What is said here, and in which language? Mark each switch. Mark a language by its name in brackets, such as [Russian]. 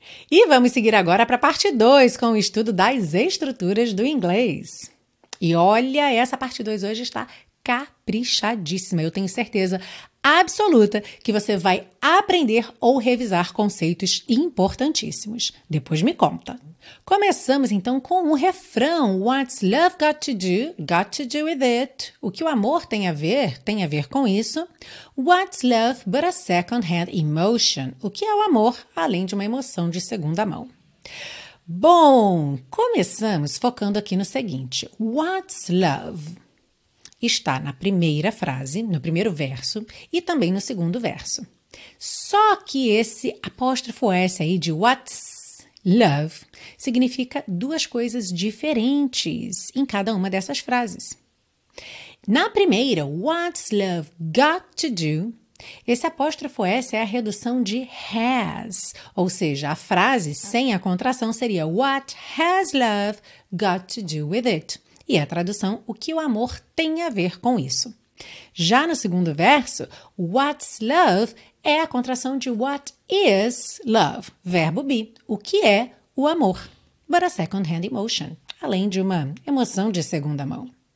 [Portuguese] E vamos seguir agora para a parte 2 com o estudo das estruturas do inglês. E olha, essa parte 2 hoje está caprichadíssima. Eu tenho certeza absoluta que você vai aprender ou revisar conceitos importantíssimos. Depois me conta. Começamos então com um refrão. [English] What's love got to do with it? [Portuguese] O que o amor tem a ver com isso. [English] What's love but a second-hand emotion? [Portuguese] O que é o amor além de uma emoção de segunda mão? Bom, começamos focando aqui no seguinte. [English] What's love? [Portuguese] Está na primeira frase, no primeiro verso e também no segundo verso. Só que esse apóstrofo S aí de what's love significa duas coisas diferentes em cada uma dessas frases. Na primeira, [English] what's love got to do? [Portuguese] Esse apóstrofo S é a redução de has, ou seja, a frase sem a contração seria [English] what has love got to do with it? [Portuguese] E a tradução, o que o amor tem a ver com isso. Já no segundo verso, what's love é a contração de what is love, verbo be, o que é o amor, [English] but a second-hand emotion, [Portuguese] além de uma emoção de segunda mão.